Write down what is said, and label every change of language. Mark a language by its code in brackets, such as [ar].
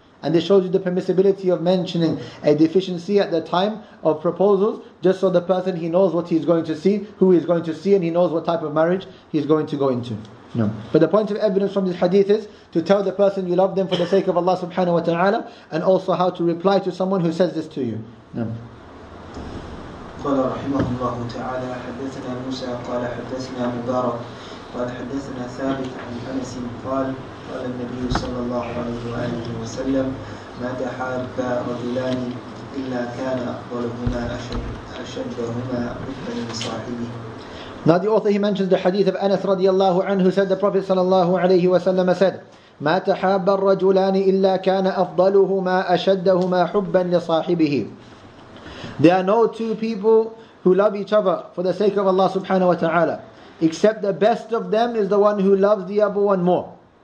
[en] And this shows you the permissibility of mentioning a deficiency at the time of proposals, just so the person, he knows what he's going to see, who he's going to see, and he knows what type of marriage he's going to go into. No. But the point of evidence from this hadith is to tell the person you love them for the sake of Allah subhanahu wa ta'ala, and also how to reply to someone who says this to you. No. [ar] قال رحمه الله تعالى حدثنا موسى قال حدثنا مبارك قال حدثنا ثابت عن أنس قال النبي صلى الله عليه وسلم ما تحابا رجلان إلا كان أقبلهما أشدهما ربا لصاحبه. [en] Now the author, he mentions the hadith of Anas radiallahu anhu, who said the Prophet sallallahu alayhi wa sallam said, [ar] مَا تَحَابَ الرَّجُلَانِ إِلَّا كَانَ أَفْضَلُهُمَا أَشَدَّهُمَا حُبًّا لِصَاحِبِهِ. [en] There are no two people who love each other for the sake of Allah subhanahu wa ta'ala, except the best of them is the one who loves the other one more.